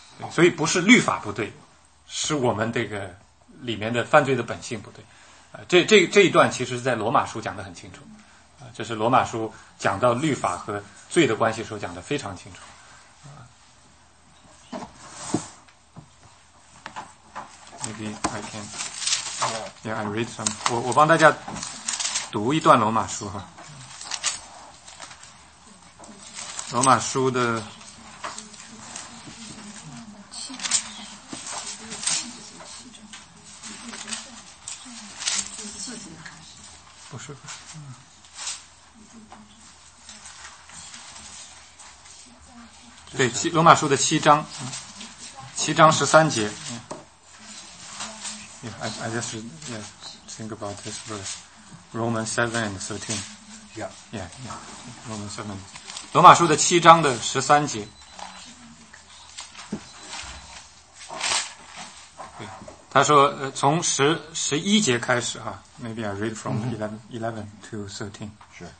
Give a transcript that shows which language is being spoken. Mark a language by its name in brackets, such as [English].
[Chinese] 所以不是律法不对。是我们这个里面的犯罪的本性不对。这一段其实是在罗马书讲得很清楚。这是罗马书讲到律法和罪的关系时候讲得非常清楚。 [English] Maybe I can, yeah, I read some. [Chinese] 我帮大家读一段罗马书哈。罗马书的对，罗马书的七章十三节。 [English] Yeah, I just think about this verse. Romans 7:13. Yeah. Romans 7. [Chinese] 罗马书的七章的十三节。对，他说，从十一节开始哈。 [English] Maybe I read from 11 to 13. Sure.